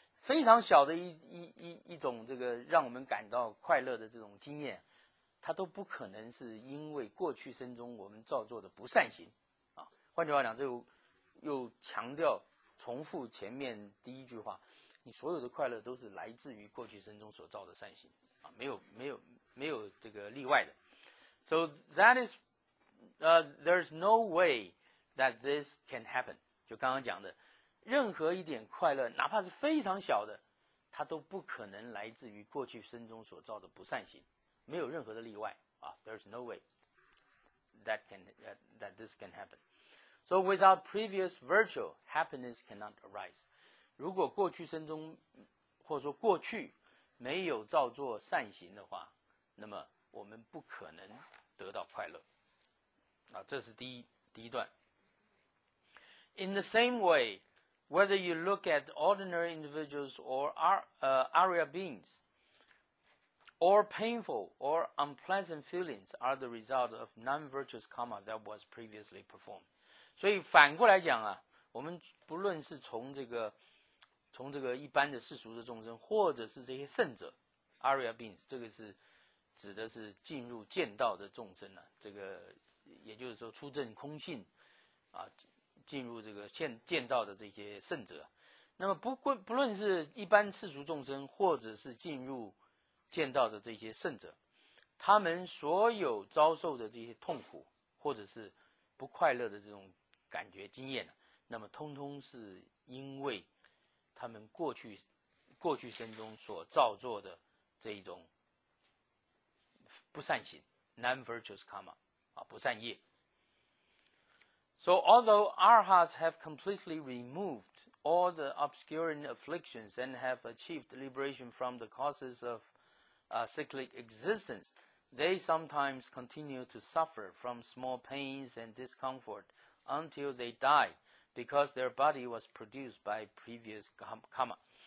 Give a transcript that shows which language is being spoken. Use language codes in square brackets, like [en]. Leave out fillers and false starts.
[zh] 非常小的一种这个让我们感到快乐的这种经验，它都不可能是因为过去生中我们造作的不善行啊。换句话讲，这又强调重复前面第一句话，你所有的快乐都是来自于过去生中所造的善行啊，没有这个例外的。 [en] So that is, there's no way that this can happen. [zh] 就刚刚讲的，任何一点快乐，哪怕是非常小的，它都不可能来自于过去生中所造的不善行，没有任何的例外啊。 [en] There's no way that can, that this can happen. So without previous virtue, happiness cannot arise. [zh] 如果过去生中，或者说过去没有造作善行的话，那么我们不可能得到快乐啊，这是第一段。 [en] In the same way, whether you look at ordinary individuals or Arya beings, all painful or unpleasant feelings are the result of non-virtuous karma that was previously performed. [zh] 所以反过来讲啊，我们不论是从这个一般的世俗的众生，或者是这些圣者 Arya beings， 这个是指的是进入见道的众生啊，这个也就是说出证空性啊，进入这个见道的这些圣者。那么不论是一般世俗众生，或者是进入见道的这些圣者，他们所有遭受的这些痛苦或者是不快乐的这种感觉经验，那么通通是因为他们过去生中所造作的这一种不善行 non-virtuous karma 啊，不善业。 [en] So although arhats have completely removed all the obscuring afflictions and have achieved liberation from the causes of cyclic existence, they sometimes continue to suffer from small pains and discomfort until they die because their body was produced by previous karma.